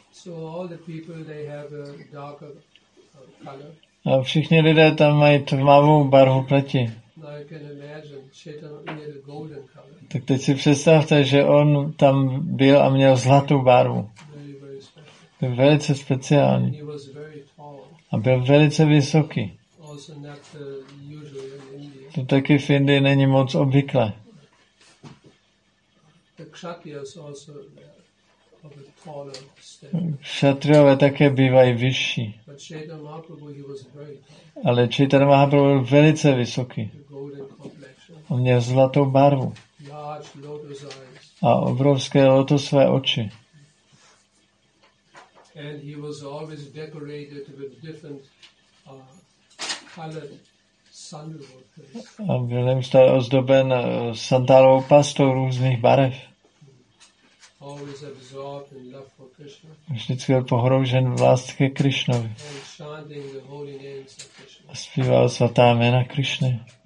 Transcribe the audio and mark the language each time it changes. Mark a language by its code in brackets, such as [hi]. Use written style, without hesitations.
[en] So all the people, they have a darker color. [cs] A všichni lidé tam mají tmavou barvu pleti. [en] Now you can imagine Chaitanya had a golden color. [cs] Tak teď si představte, že on tam byl a měl zlatou barvu. Byl velice speciální. [en] He was very tall. [cs] A byl velice vysoký. [en] Also not usual in India. [cs] To taky v Indii není moc obvyklé. [en] The kshatriyas also of a taller step. [cs] Kšatriové také bývají vyšší. [en] But Chaitanya Mahaprabhu, he was very tall. [cs] Ale Chaitanya Mahaprabhu byl velice vysoký. [en] The golden complexion. [cs] On měl zlatou barvu. [en] Large lotus eyes. [cs] a obrovské lotosové oči. [en] And he was always decorated with different colored sandalwood. [cs] A byl neustále ozdoben sandálovou pastou různých barev. [en] Always absorbed in love for Krishna. [cs] Vždycky byl pohroužen v lásce Krišnovi. [en] And chanting the holy names of Krishna. [cs] Zpíval svatá jména Krišny.